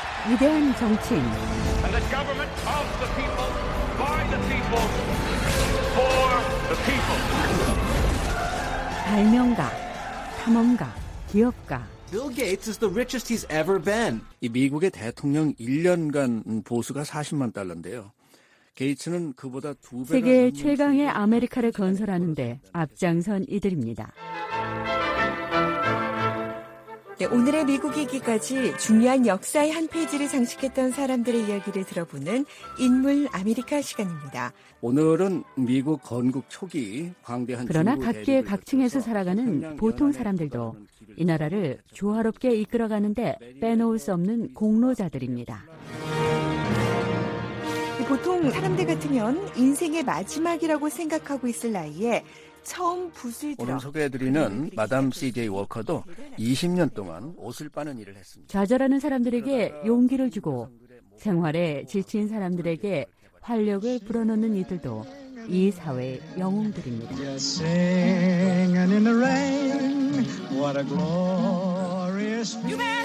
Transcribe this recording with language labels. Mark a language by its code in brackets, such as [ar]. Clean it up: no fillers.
[ko] 위대한 정치인, 발명가, 탐험가, 기업가, [en] Bill Gates is the richest he's ever been. [ko] 이 미국의 대통령 1년간 보수가 40만 달러인데요. 게이츠는 그보다 두 배가 넘는 세계 최강의 아메리카를 건설하는 데 앞장선 이들입니다. 네, 오늘의 미국이기까지 중요한 역사의 한 페이지를 장식했던 사람들의 이야기를 들어보는 인물 아메리카 시간입니다. 오늘은 미국 건국 초기 광대한 그러나 각계 각층에서 살아가는 보통 사람들도 이 나라를 조화롭게 이끌어가는 데 빼놓을 수 없는 공로자들입니다. 보통 사람들 같으면 인생의 마지막이라고 생각하고 있을 나이에 처음 붓을 들어 오늘 소개해드리는 마담 CJ 워커도 20년 동안 옷을 빠는 일을 했습니다. 좌절하는 사람들에게 용기를 주고 생활에 지친 사람들에게 활력을 불어넣는 이들도 이 사회의 영웅들입니다. [en] Singing in the rain, what a glorious thing.